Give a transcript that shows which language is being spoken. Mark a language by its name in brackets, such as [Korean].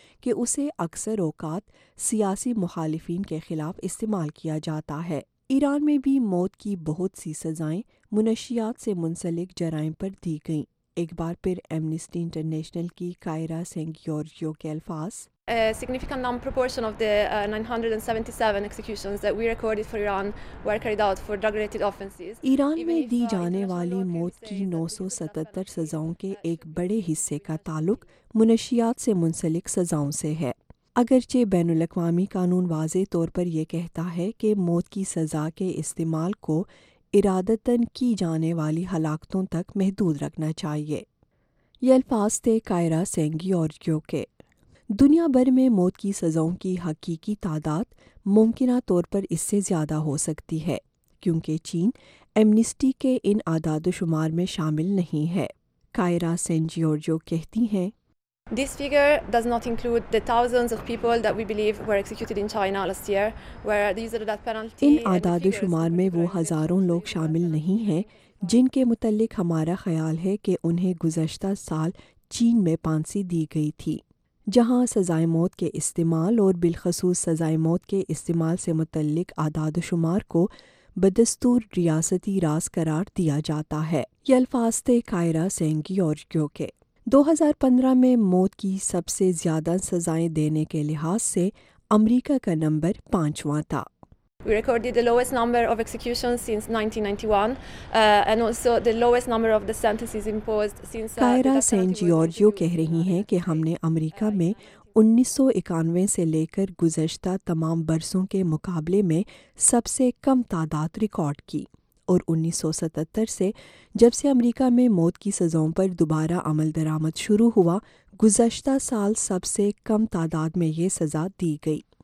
[Urdu] کہ اسے اکثر اوقات سیاسی مخالفین کے خلاف استعمال کیا جاتا ہے۔ ایران میں بھی موت کی بہت سی سزائیں منشیات سے منسلک جرائم پر دی گئیں۔ ایک بار پھر ایمنسٹی انٹرنیشنل کی کائرا سینگیورجیو کے الفاظ، [English] Significant non-proportion of the 977 executions that we recorded for Iran were carried out for drug-related offenses. [Urdu] Iran میں دی جانے والی موت کی 977 سزاؤں کے ایک بڑے حصے کا تعلق منشیات سے منسلک سزاؤں سے ہے۔ اگرچہ بین الاقوامی قانون واضح طور پر یہ کہتا ہے کہ موت کی سزا کے استعمال کو ارادتاً کی جانے والی ہلاکتوں تک محدود رکھنا چاہیے۔ یہ الفاظ تھے کائرا سینگیورجیو کے۔ دنیا بھر میں موت کی سزاؤں کی حقیقی تعداد ممکنہ طور پر اس سے زیادہ ہو سکتی ہے، کیونکہ چین ایمنسٹی کے ان اعداد و شمار میں شامل نہیں ہے۔ کائرا سینجیورجیو کہتی ہیں، [English] This figure does not include the thousands of people that we believe were executed in China last year, where the use of the death penalty. [Urdu] ان اعداد و شمار میں وہ ہزاروں لوگ شامل نہیں ہیں جن کے متعلق ہمارا خیال ہے کہ انہیں گزشتہ سال چین میں پھانسی دی گئی تھی، جہاں سزائے موت کے استعمال اور بالخصوص سزائے موت کے استعمال سے متعلق اعداد و شمار کو بدستور ریاستی راز قرار دیا جاتا ہے۔ یہ الفاظ تھے کائرا سینگیورجیو کے۔ 2015 میں موت کی سب سے زیادہ سزائیں دینے کے لحاظ سے امریکہ کا نمبر پانچواں تھا۔ [English] We recorded the lowest number of executions since 1991 and also the lowest number of the sentences imposed since [Urdu] Kaira سینجیورجیو کہہ رہی ہیں کہ ہم نے امریکہ میں 1991 سے لے کر گزشتہ تمام برسوں کے مقابلے میں سب سے کم تعداد ریکارڈ کی، اور 1977 سے جب سے امریکہ میں موت کی سزاؤں پر دوبارہ عمل درآمد شروع ہوا گزشتہ سال سب سے کم تعداد میں یہ سزا دی گئی۔